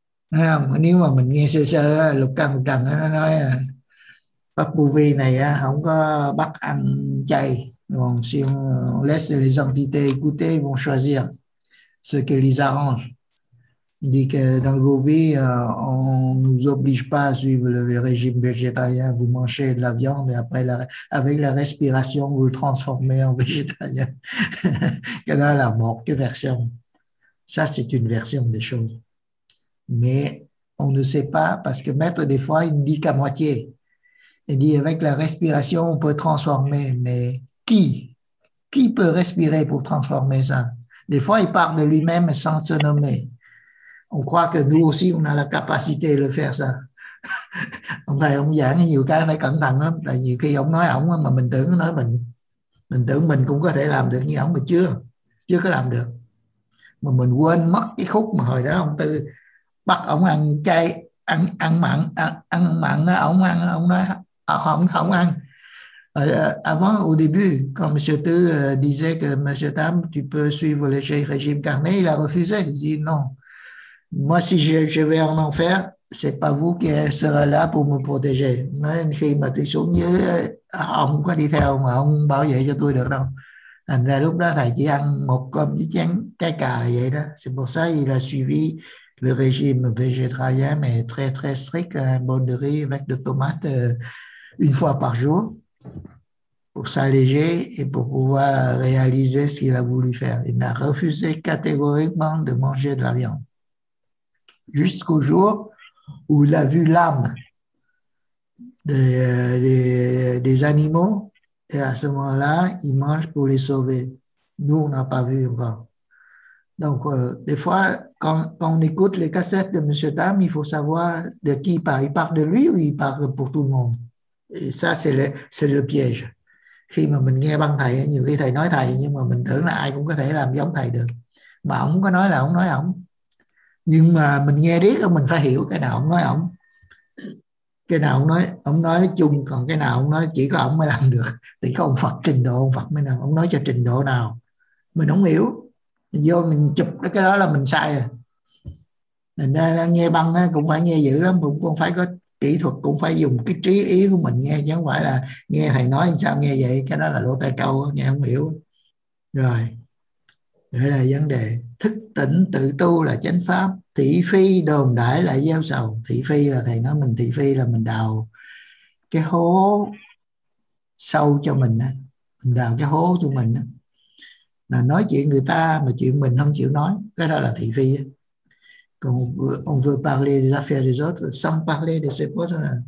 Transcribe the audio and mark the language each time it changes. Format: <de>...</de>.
<vi>Thấy không? Nếu mà mình nghe sơ sơ, Lục Căn Lục Trần nó nói Pháp Bù Vi này không có bắt ăn chay.</vi> <fr>Bon, si on laisse les entités écouter, ils vont choisir ce qui les arrange. Il dit que dans vos vies, on ne nous oblige pas à suivre le régime végétarien. Vous mangez de la viande et après, avec la respiration, vous le transformez en végétarien. Que dans la mort, quelle version? Ça, c'est une version des choses. Mais on ne sait pas, parce que Maître, des fois, il ne dit qu'à moitié. Il dit avec la respiration, on peut transformer, mais... Qui peut respirer pour transformer ça? Des fois, il parle de lui-même sans se nommer. On croit que nous aussi, on a la capacité de faire ça.</fr> <vi>Ông thầy, ông giảng nhiều cái phải cẩn thận lắm. Tại nhiều khi ông nói ông mà mình tưởng nói mình. Mình tưởng mình cũng có thể làm được như ông mà chưa có làm được. Mà mình quên mất cái khúc mà hồi đó ông Tư bắt ông ăn chay, ăn mặn, ông nói không ăn.</vi> <fr>Avant, au début, quand M. Tu disait que M. Tam, tu peux suivre le régime carné, il a refusé. Il dit non. Moi, si je vais en enfer, c'est pas vous qui serez là pour me protéger. Mais</fr> <vi>khi mà tôi xuống dưới, ông có đi theo mà ông bảo vệ cho tôi được đâu. Thành ra lúc đó thầy chỉ ăn một cơm với chén trái cà là vậy đó.</vi> <fr>C'est pour ça qu'il a suivi le régime végétarien, mais très très strict, un bol de riz avec de tomates une fois par jour. Pour s'alléger et pour pouvoir réaliser ce qu'il a voulu faire. Il a refusé catégoriquement de manger de la viande. Jusqu'au jour où il a vu l'âme des animaux et à ce moment-là, il mange pour les sauver. Nous, on n'a pas vu encore. Donc, des fois, quand on écoute les cassettes de M. Tam, il faut savoir de qui il parle. Il parle de lui ou il parle pour tout le monde? Et ça, c'est le piège.</fr> <vi>Khi mà mình nghe băng thầy, nhiều khi thầy nói thầy, nhưng mà mình tưởng là ai cũng có thể làm giống thầy được. Mà ổng có nói là ổng nói ổng. Nhưng mà mình nghe riết, mình phải hiểu cái nào ổng nói ổng. Cái nào ổng nói chung, còn cái nào ổng nói chỉ có ổng mới làm được. Thì có ông Phật trình độ, ông Phật mới làm. Ổng nói cho trình độ nào. Mình không hiểu. Vô mình chụp cái đó là mình sai rồi. Mình nghe băng cũng phải nghe dữ lắm, cũng không phải có... Kỹ thuật cũng phải dùng cái trí ý của mình nghe, chứ không phải là nghe thầy nói sao nghe vậy, cái đó là lỗ tai trâu, nghe không hiểu. Rồi, đây là vấn đề. Thức tỉnh tự tu là chánh pháp, thị phi đồn đại là gieo sầu. Thị phi là thầy nói mình, thị phi là mình đào cái hố sâu cho mình, mình đào cái hố cho mình. Là nói chuyện người ta mà chuyện mình không chịu nói, cái đó là thị phi á.</vi> <fr>Quand on veut parler des affaires des autres sans parler de ses propres.</fr>